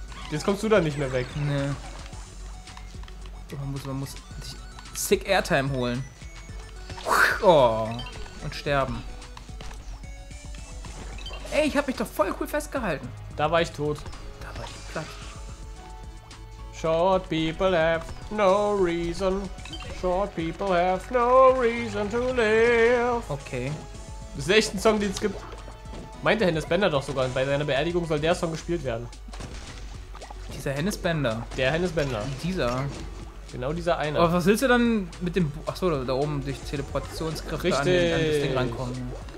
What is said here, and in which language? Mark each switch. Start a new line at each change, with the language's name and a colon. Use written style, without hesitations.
German: Jetzt kommst du da nicht mehr weg. Nee. Man muss sich sick Airtime holen. Oh. Und sterben. Ey, ich hab mich doch voll cool festgehalten. Da war ich tot. Da war ich platt.
English: Short people have no reason. Short people have no reason to live.
German: Okay. Das ist echt ein Song, den es gibt. Meinte Hennes Bender doch sogar. Bei seiner Beerdigung soll der Song gespielt werden. Dieser Hennes Bender. Der Hennes Bender. Dieser. Genau dieser eine. Aber was willst du dann mit dem. Achso, da oben durch Teleportationskräfte richtig. An das Ding rankommen.